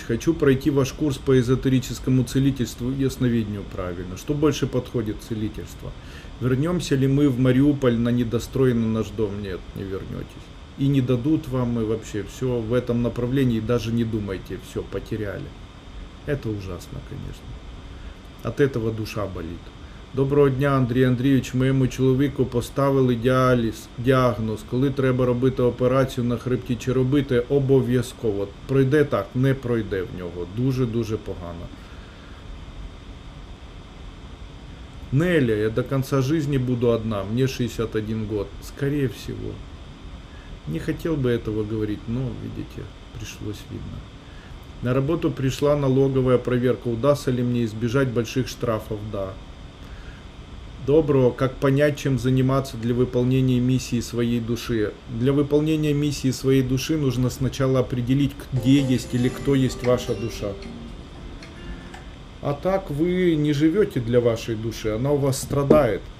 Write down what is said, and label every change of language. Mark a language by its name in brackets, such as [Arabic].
[Russian] Хочу пройти ваш курс по эзотерическому целительству и ясновидению. Правильно. Что больше подходит целительство? Вернемся ли мы в Мариуполь на недостроенный наш дом? Нет, не вернетесь. И не дадут вам, и вообще все в этом направлении. Даже не думайте, все, потеряли. Это ужасно, конечно. От этого душа болит. [Ukrainian] Доброго дня, Андрій Андрійович. Моєму чоловіку поставили діагноз. Коли треба робити операцію на хребті чи робити, обов'язково. Пройде так, не пройде в нього. Дуже-дуже погано. Неля, я до кінця житті буду одна. Мені 61 год. Скоріше всього. Не хотів би цього говорити, але, видите, прийшлось видно. На роботу прийшла налогова перевірка. Удасться ли мені збіжати больших штрафів? [Russian] Да. Доброго, как понять, чем заниматься для выполнения миссии своей души? Для выполнения миссии своей души нужно сначала определить, где есть или кто есть ваша душа. А так вы не живете для вашей души, она у вас страдает.